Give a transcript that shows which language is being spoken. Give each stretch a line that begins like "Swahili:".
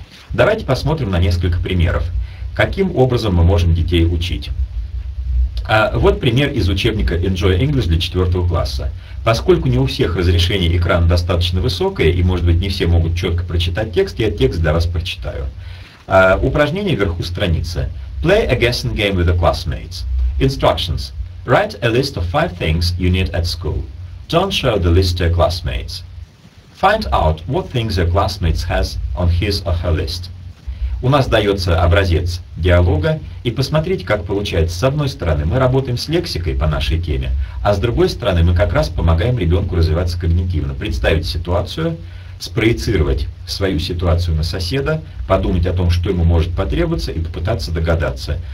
Russian: Давайте посмотрим на несколько примеров, каким образом мы можем детей учить. Вот пример из учебника Enjoy English для 4 класса. Поскольку не у всех разрешение экрана достаточно высокое, и, может быть, не все могут четко прочитать текст, я текст для вас прочитаю. Упражнение вверху страницы.
English: Play a guessing game with the classmates. Instructions. Write a list of 5 things you need at school. Don't show the list to your classmates. Find out what things your classmates has on his or her list.
Russian: У нас дается образец диалога, и посмотрите, как получается. С одной стороны, мы работаем с лексикой по нашей теме, а с другой стороны, мы как раз помогаем ребенку развиваться когнитивно. Представить ситуацию, спроецировать свою ситуацию на соседа, подумать о том, что ему может потребоваться, и попытаться догадаться.